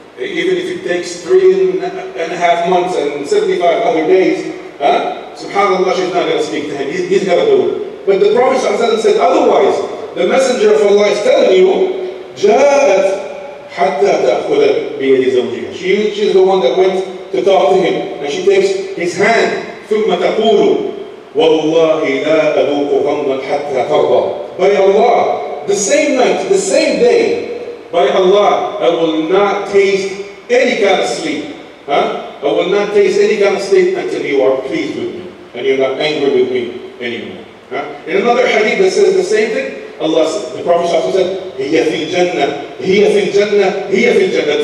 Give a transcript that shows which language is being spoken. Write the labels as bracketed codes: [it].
[en] Even if it takes 3.5 months and 75 other days, SubhanAllah, she's not going to speak to him. He's going to do it. But the Prophet said otherwise. The Messenger of Allah is telling you, [ar] جاءت حتى تأخذ بيد زوجها. [en] She's the one that went to talk to him. And she takes his hand. [ar] ثم تقول والله لا أذوق غما حتى ترضى. [en] By Allah, the same night, the same day, by Allah, I will not taste any kind of sleep. Huh? I will not taste any kind of sleep until you are pleased with me. And you're not angry with me anymore. Huh? In another hadith that says the same thing, Allah said, the Prophet said, [ar] هي في الجنة, هي في الجنة, [en] هي في الجنة.